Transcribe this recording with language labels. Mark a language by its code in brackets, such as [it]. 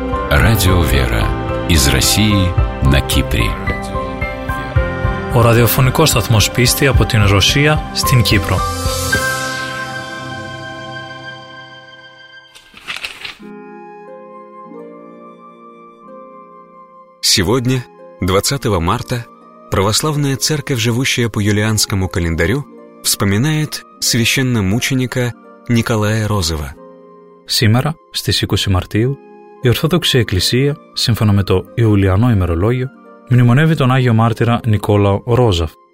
[ru] Радио «Вера» из России на Кипре. [el] Ο ραδιοφωνικός σταθμός πίστη από την Ρωσία στην Κύπρο. [ru] Сегодня, 20 марта, православная церковь, живущая по юлианскому календарю, вспоминает священномученика Николая Розова. [el] Σήμερα, στις 20 Μαρτίου, η Ορθόδοξη Εκκλησία, σύμφωνα με το Ιουλιανό ημερολόγιο, μνημονεύει τον Άγιο Μάρτυρα Νικόλαο Ρόζαφ.